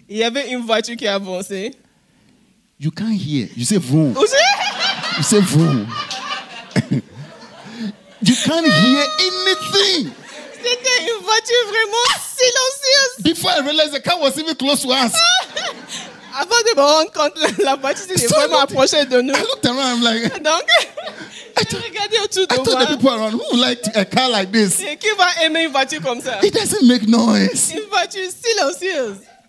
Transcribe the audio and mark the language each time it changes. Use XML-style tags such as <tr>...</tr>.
<fr>Il y avait une voiture qui avançait.</fr> <en>You can't hear. You say vroom. You say vroom. You can't hear anything.</en> <fr>C'était une voiture vraiment silencieuse.</fr> <en>Before I realized the car was even close to us.</en> <fr>Avant de me rendre compte, la voiture était vraiment approchée de nous.</fr> <en>I looked around, I'm like.</en> <fr>Donc,</fr> <en>I told the people around, who liked a car like this?</en> <fr>Qui va aimer une voiture comme ça?</fr> <en>It doesn't make noise.</en> <fr>Une voiture silencieuse.</fr>